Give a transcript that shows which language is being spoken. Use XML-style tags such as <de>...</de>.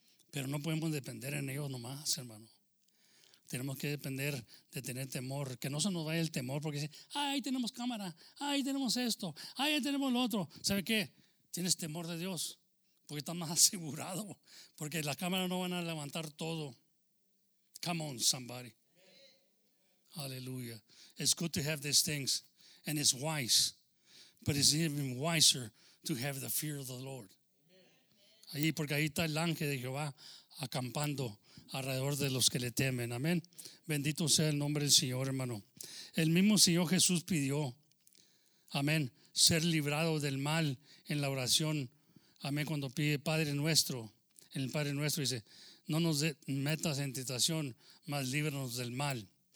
<es>Pero no podemos depender en ellos nomás, hermano. Tenemos que depender de tener temor, que no se nos vaya el temor porque dice, ahí tenemos cámara, ahí tenemos esto, ahí tenemos lo otro. ¿Sabe qué? Tienes temor de Dios porque estás más asegurado, porque las cámaras no van a levantar todo.</es> <en>Come on, somebody.</en> <es>Aleluya.</es> <en>It's good to have these things and it's wise, but it's even wiser to have the fear of the Lord.</en> <es>Ahí, porque ahí está el ángel de Jehová acampando alrededor de los que le temen. Amén. Bendito sea el nombre del Señor, hermano. El mismo Señor Jesús pidió, amén, ser librado del mal en la oración. Amén. Cuando pide Padre nuestro, el Padre nuestro dice, no nos metas en tentación, mas líbranos del mal.</es>